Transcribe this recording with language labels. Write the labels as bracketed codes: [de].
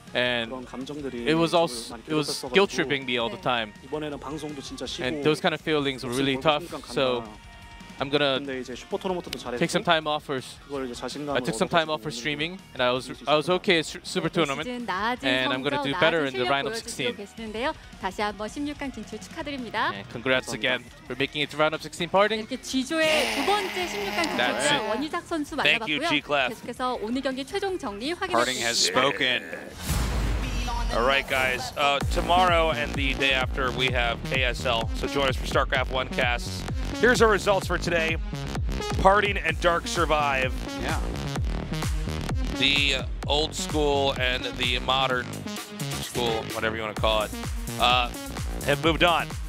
[en] And it was guilt tripping me all the time. And those kind of feelings were really tough. So I'm gonna take some time off for. I took some time off for streaming, and I was okay at Super Tournament, and I'm gonna do better in the round of 16. [ko] 다시 한번 16강 진출 축하드립니다. [en] Congrats again for making it to round of 16 Parting. [ko] 이렇게 G조의 두 번째 16강 진출 원희작 선수 만나봤고요. [en] Thank you, G-Class. [ko] 계속해서 오늘 경기 최종 정리 확인해 [en] Parting has spoken. All right, guys. Tomorrow and the day after, we have KSL. So join us for StarCraft 1 casts. Here's our results for today. Parting and Dark survive. Yeah. The old school and the modern school, whatever you want to call it, have moved on.